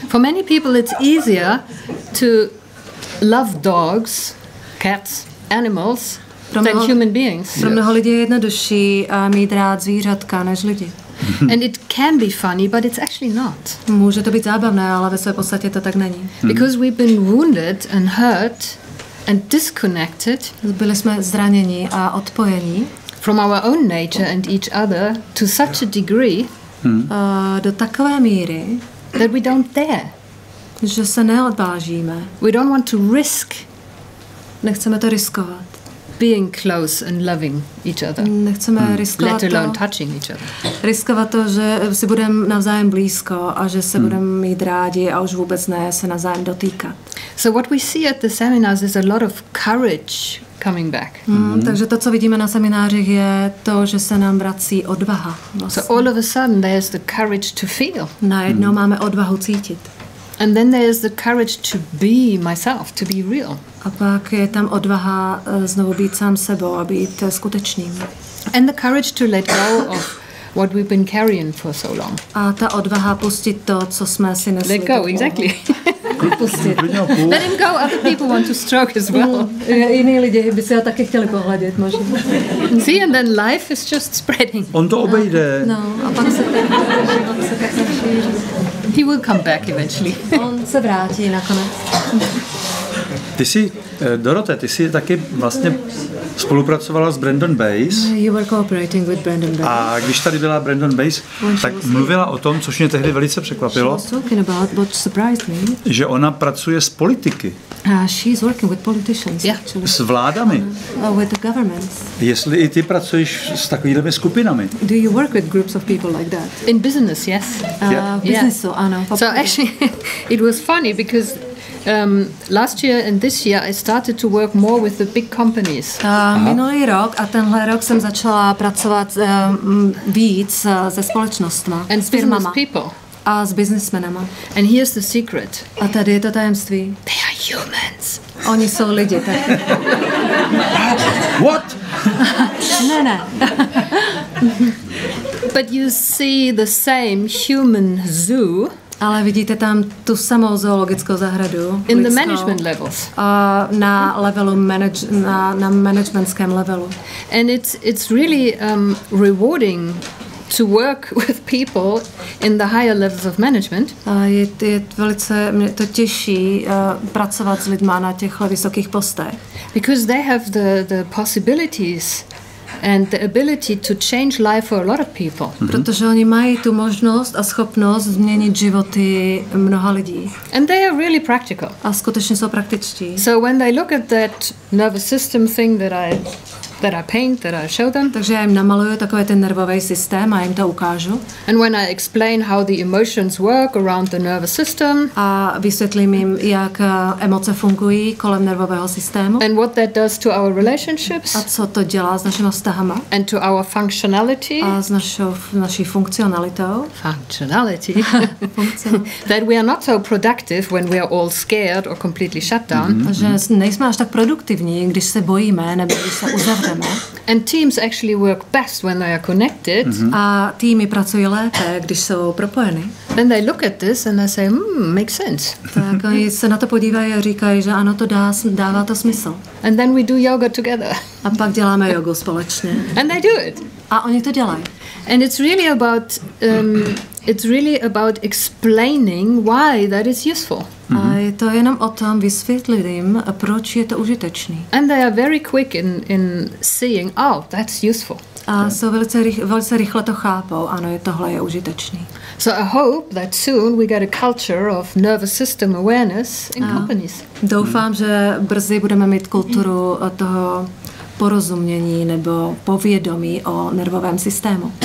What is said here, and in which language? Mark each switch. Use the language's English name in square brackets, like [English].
[English] For many people it's easier to love dogs, cats, animals than human beings. [Czech] Pro mnoho lidí je jednodušší mít rád zvířatka než lidi. [English] And it can be funny, but it's actually not. [Czech] Může to být zábavné, ale ve své podstatě to tak není. [English] Because we've been wounded and hurt and disconnected. [Czech] Byli jsme zranění a odpojení. [English] From our own nature and each other to such a degree. [Czech] Do takové míry, [English] that we don't dare. [Czech] Že se neodvážíme. [English] We don't want to risk. [Czech] Nechceme to riskovat. [English] Being close and loving each other. [Czech] Nechceme riskovat [English] to. Let alone touching each other. [Czech] Riskovat to, že si budeme navzájem blízko a že se budeme mít rádi a už vůbec ne se navzájem dotýkat. [English] So what we see at the seminars is a lot of courage coming back. [Czech] Takže to, co vidíme na seminářích, je to, že se nám vrací odvaha. Vlastně. [English] So all of a sudden there's the courage to feel. [Czech] Najednou máme odvahu cítit. [English] And then there is the courage to be myself, to be real. [Czech] A pak je tam odvaha znovu být sám sebou a být skutečným. [English] And the courage to let go of what we've been carrying for so long. [Czech] A ta odvaha pustit to, co jsme si nesli. [English] Let go, exactly. [Czech] Pustit. [English] Let him go, other people want to stroke as well. [Czech] Jiní lidé by se ho taky chtěli pohladit, možná. [English] See, and then life is just spreading. [Czech] On to obejde. No, a pak se ten život se tak nešíří. [English] He will come back eventually. [Czech] On se vrátí nakonec. Ty jsi, Dorothe, ty jsi taky vlastně spolupracovala s Brandon Bays. [English] You were cooperating with Brandon Bays. [Czech] A když tady byla Brandon Bays, tak mluvila o tom, což mě tehdy velice překvapilo. [English] She was talking about what surprised me. [Czech] Že ona pracuje s politiky. [English] She's working with politicians. Yeah. Actually. [Czech] S vládami. [English] With the governments. [Czech] Jestli i ty pracuješ s takovými skupinami. [English] Do you work with groups of people like that? In business, yes. Business, yeah. Ano. So actually, it was funny because last year and this year I started to work more with the big companies. [Czech] Minulý rok a tenhle rok jsem začala pracovat víc se společnostmi, s firmama. [English] Business people. [Czech] A s businessmenama. [English] And here's the secret. [Czech] A tady je to tajemství. [English] They are humans. [Czech] Oni jsou lidi. Tak. [English] What? [Czech] Ne, ne. [English] But you see the same human zoo. [Czech] Ale vidíte tam tu samou zoologickou zahradu. [English] In lidskou, the management levels. [Czech] Na levelu na managementském levelu. [English] And it's really rewarding to work with people in the higher levels of management. [Czech] Je velice, mě to těší pracovat s lidma na těch vysokých postech. [English] Because they have the possibilities and the ability to change life for a lot of people. [Czech] Protože oni mají tu možnost a schopnost změnit životy mnoha lidí. [English] And they are really practical. [Czech] A skutečně jsou praktičtí. [English] So when they look at that nervous system thing that I paint, that I show them. [Czech] Takže já jim namaluju takový ten nervový systém a jim to ukážu. [English] And when I explain how the emotions work around the nervous system. [Czech] A vysvětlím jim, jak emoce fungují kolem nervového systému. [English] And what that does to our relationships. [Czech] A co to dělá s našimi vztahama. [English] And to our functionality. [Czech] A s naší funkcionalitou. [English] Functionality. That we are not so productive when we are all scared or completely shut down. [Czech] A že nejsme až tak produktivní, když se bojíme, nebo když se uzavíme. [English] And teams actually work best when they are connected. [Czech] A týmy pracují lépe, když jsou propojeny. [English] Then they look at this and they say, makes sense. [Czech] Tak oni se na to podívají a říkají, že ano, to dává to smysl. [English] And then we do yoga together. [Czech] A pak děláme jogu společně. [English] And they do it. [Czech] A oni to dělají. [English] And it's really about explaining why that is useful. [Czech] A je to jenom o tom vysvětlit jim, proč je to užitečný. [English] And they are very quick in seeing, oh, that's useful. [Czech] A jsou velice rychle to chápou, ano, tohle je užitečný. [English] So I hope that soon we get a culture of nervous system awareness in companies. [Czech] Doufám, že brzy budeme mít kulturu toho porozumění nebo povědomí o nervovém systému.